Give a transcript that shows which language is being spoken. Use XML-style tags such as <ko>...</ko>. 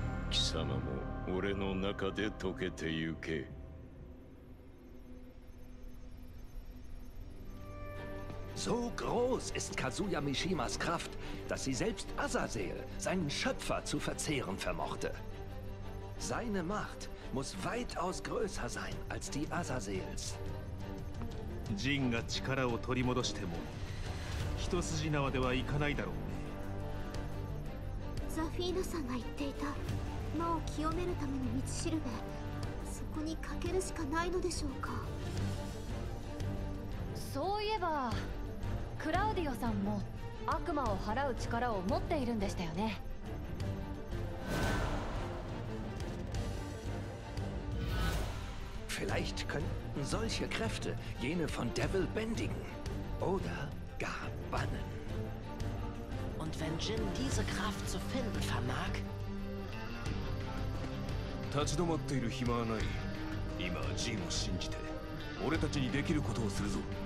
<ja>貴様も俺の中で溶けてゆけ。</ja> <de>So groß ist Kazuya Mishimas Kraft, dass sie selbst Azazel, seinen Schöpfer, zu verzehren vermochte. Seine Macht muss weitaus größer sein als die Azazels.</de> <ja>Jin が力を取り戻しても、一筋縄ではいかないだろうね。ザフィーナさんが言っていた。魔を清めるための道しるべ、そこにかけるしかないのでしょうか。そういえばクラウディオさんも悪魔を払う力を持っているんでしたよね。</ja> <de>Vielleicht könnten solche Kräfte jene von Devil bändigen. Oder gar bannen. Und wenn Jin diese Kraft zu finden vermag?</de> <ja>立ち止まっている暇はない。今はジンを信じて、 俺たちにできることをするぞ。</ja>